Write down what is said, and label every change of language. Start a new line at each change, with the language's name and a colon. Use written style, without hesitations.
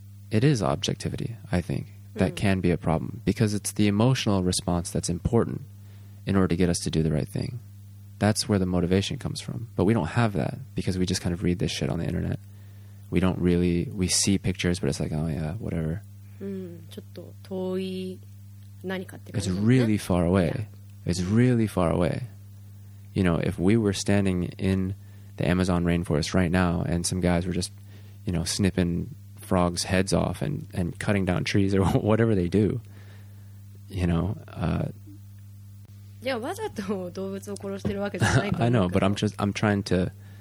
English: It is objectivity, I think, that can be a problem because it's the emotional response that's important in order to get us to do the right thing. That's where the motivation comes from. But we don't have that because we just kind of read this shit on the internet. We don't really, we see pictures, but it's like, oh yeah, whatever.
Japanese: ちょっと遠い何かって感じ。
English: It's really far away. It's really far away. you know, if we were standing in the Amazon rainforest right now and some guys were just, you know, snipping frogs' heads off and cutting down trees or whatever they do, you know. I know, but I'm trying to...